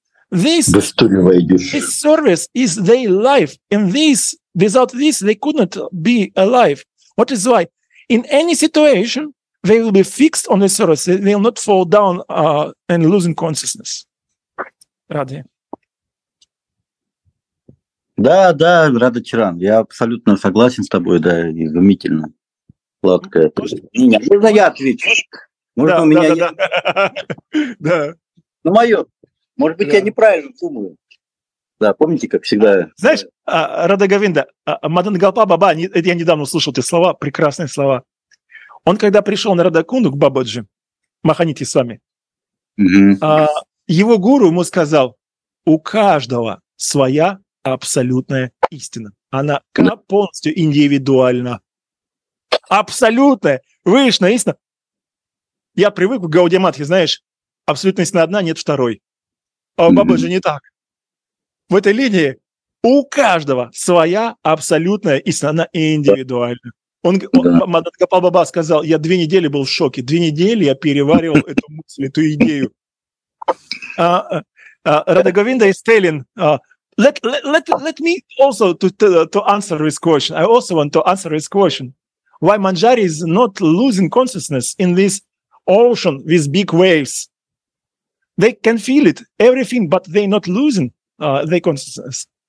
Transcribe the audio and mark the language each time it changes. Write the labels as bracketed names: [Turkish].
[English] This service is their life. And this, without this, they could not be alive. What is why? In any situation, they will be fixed on the service. They will not fall down and losing consciousness. Radhe. [Russian] Да, да, Рада Чиран, я абсолютно согласен с тобой, да, изумительно. Сладкое. Можно я отвечу? Можно да, у меня. Да. Ну, мое. Может быть, я неправильно думаю. Да, помните, как всегда. Знаешь, Рада Говинда, Мадан Галпа Баба, я недавно услышал эти слова, прекрасные слова. Он, когда пришел на Радакунду к Бабаджи, Маханити с вами, его гуру ему сказал: у каждого своя абсолютная истина. Она полностью индивидуальна. Абсолютная, вышная истина. Я привык к Гаудия Матхе, знаешь, абсолютная истина одна, нет второй. А у Бабы же не так. В этой линии у каждого своя абсолютная истина, она индивидуальна. Мадан Гопал Баба сказал, я 2 недели был в шоке. 2 недели я переваривал эту мысль, эту идею. Рада Говинда и Стеллин... [English] Let me also to answer this question. I also want to answer this question. why Manjari is not losing consciousness in this ocean with big waves. They can feel it, everything, but they not losing their consciousness.